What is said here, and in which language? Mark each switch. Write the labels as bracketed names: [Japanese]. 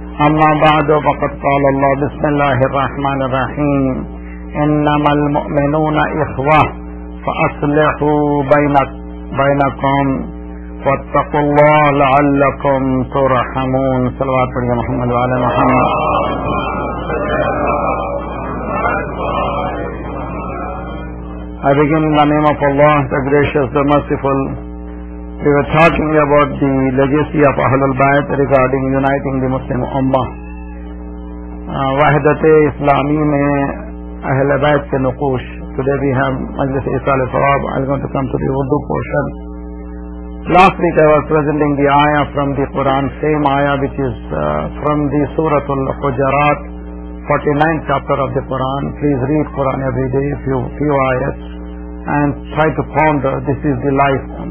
[Arabic] اما بعد فقد قال اللہ بسم اللہ الرحمن الرحیم انما المؤمنون اخوة فأصلحوا بينكم واتقوا الله لعلكم ترحمون. صلوات علی محمد وعلی محمد. [English] I begin in the name of Allah, the gracious, the merciful. We were talking about the legacy of Ahlul Bayt regarding uniting the Muslim Ummah. [Urdu] وحدت اسلامی میں اہل بیت کے نقوش. [English] Today we have Majlis Isal al-Sawab. I'm going to come to the Urdu portion. Last week I was presenting the ayah from the Quran, same ayah which is from the Surah Al-Hujarat, 49th chapter of the Quran. Please read Quran every day, few ayahs, and try to ponder. This is the life.